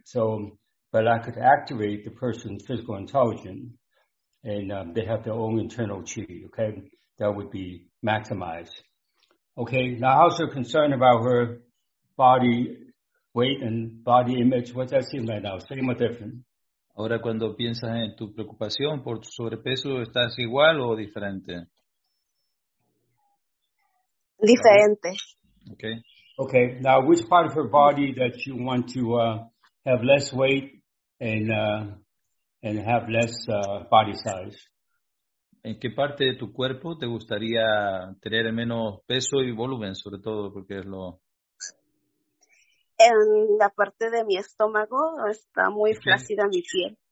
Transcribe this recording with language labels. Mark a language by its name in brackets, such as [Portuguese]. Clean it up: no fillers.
[English] So, but I could activate the person's physical intelligence, and they have their own internal chi. Okay, that would be maximized. Okay, now how's her concern about her body weight and body image? What's that seem right now? Same or different? [Spanish] Ahora cuando piensas en tu preocupación por tu sobrepeso, ¿estás igual o diferente? Diferente. [English] Okay. Okay, now which part of her body that you want to have less weight and have less body size? [Spanish] ¿En qué parte de tu cuerpo te gustaría tener menos peso y volumen, sobre todo, porque es lo...? En la parte de mi estómago, está muy flácida mi piel.